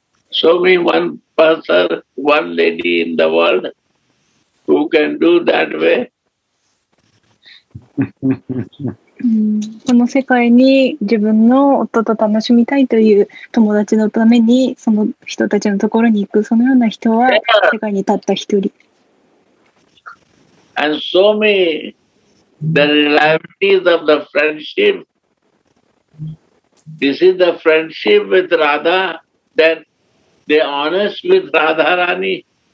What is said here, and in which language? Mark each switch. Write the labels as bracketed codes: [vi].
[en] Show me one person, one lady in the world who can do that way. [ja] この世界に自分の夫と楽しみたいという友達のためにその人たちのところに行くそのような人は世界にたった一人。 [en] And show me the realities of the friendship. This is the friendship with Radha, then they honest with Radharani.